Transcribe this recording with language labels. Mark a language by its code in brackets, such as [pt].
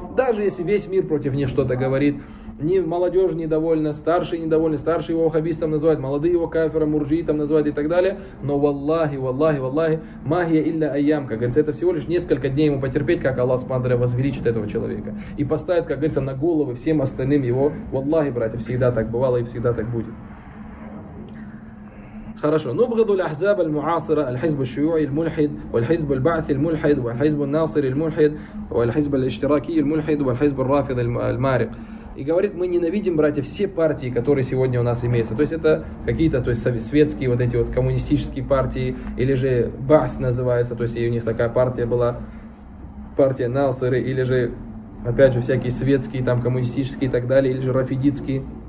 [ru] Даже если весь мир против них что-то говорит, ни молодежь недовольна, старшие недовольны, старшие его ваххабистом называют, молодые его кафиром, мурджиитом называют и так далее, но валлахи, валлахи, валлахи, [ar] махия илля айям, [ru] как говорится, это всего лишь несколько дней ему потерпеть, как Аллах субхану тааля возвеличит этого человека и поставит, как говорится, на головы всем остальным его, валлахи, братья, всегда так бывало и всегда так будет. Хорошо. [ar] نبغض الأحزاب المعاصرة الحزب الشيوعي الملحد والحزب البعثي الملحد والحزب الناصري الملحد والحزب الاشتراكي الملحد والحزب الرافضي المارق. [ru] и говорит, мы ненавидим, братья, все партии, которые сегодня у нас имеются. То есть это какие-то, то есть светские вот эти вот коммунистические партии, или же Баат называется, то есть у них такая партия была, партия Насры, или же опять же всякие светские там коммунистические и так далее, или же рафидитские.